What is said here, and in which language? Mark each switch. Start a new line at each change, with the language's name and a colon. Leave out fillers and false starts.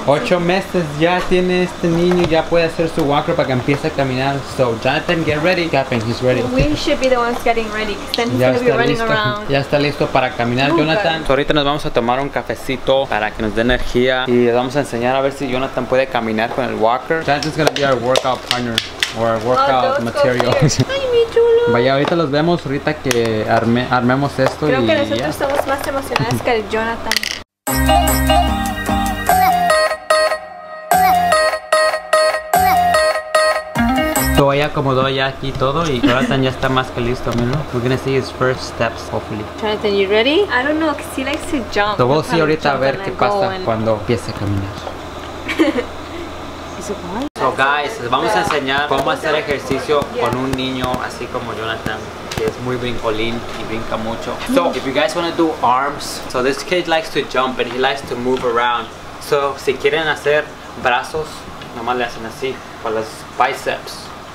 Spanish: 8 meses ya tiene este niño, ya puede hacer su walker para que empiece a caminar.
English: So, Jonathan, get ready. Capping, he's ready. We should be the ones getting ready, because then he's going to be running around.
Spanish: Ya está listo para caminar, Jonathan. So, ahorita nos vamos a tomar un cafecito para que nos dé energía y les vamos a enseñar a ver si Jonathan puede caminar con el walker.
English: Jonathan's gonna be our workout partner or workout material.
Spanish: Ay, mi chulo. Vaya, ahorita los vemos, ahorita que armemos esto. Creo y que nosotros estamos más emocionadas que el Jonathan. Ya acomodó ya aquí todo y Jonathan ya está más que listo, ¿no?
English: We're gonna see his first steps, hopefully. Jonathan, you ready? I don't know, he likes to jump.
Spanish: Lo voy a decir ahorita a ver qué pasa cuando empiece a caminar. So guys, vamos a enseñar cómo hacer ejercicio con un niño así como Jonathan, que es muy brincolín y brinca mucho.
English: So, if you guys wanna do arms, so this kid likes to jump and he likes to move around.
Spanish: So, si quieren hacer brazos, nomás le hacen así, con los biceps.